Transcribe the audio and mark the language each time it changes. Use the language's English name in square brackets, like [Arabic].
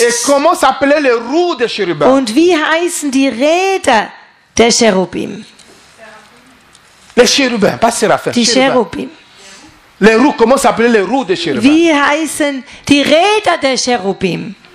[French] Et comment s'appelaient les roues des chérubins? [German] Und wie heißen die Räder der Cherubim? [French] Les chérubins, pas Séraphin. [German] Die Cherubim. [French] Les roues, comment s'appelaient les roues des chérubins? [German] Wie heißen die Räder der Cherubim?